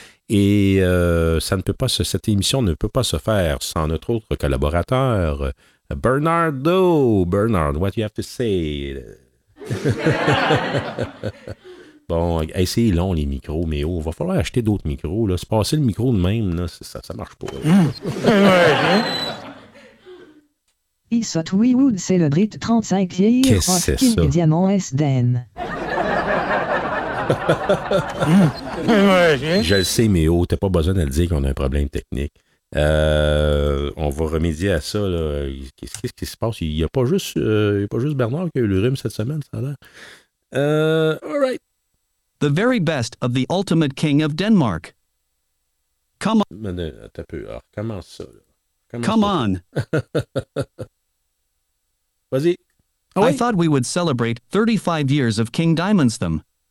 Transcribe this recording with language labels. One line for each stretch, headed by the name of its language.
French: Et cette émission ne peut pas se faire sans notre autre collaborateur, Bernardo.
English: Bernard, what do you have to say?
French: Bon, hey, c'est long les micros, mais oh, va falloir acheter d'autres micros. Là. Se passer le micro de même, là, ça marche pas.
English: Is what we would celebrate 35 years of King Diamond S-Den.
French: Je le sais, mais oh, t'as pas besoin de le dire qu'on a un problème technique. On va remédier à ça. Là. Qu'est-ce qui se passe? Il n'y a pas juste Bernard qui a eu le rhume cette semaine, ça a l'air.
English: All right. The very best of the ultimate king of Denmark. Come on. Come on.
French: Vas-y.
English: Oh, oui. I thought we would celebrate 35 years of King Diamond's them.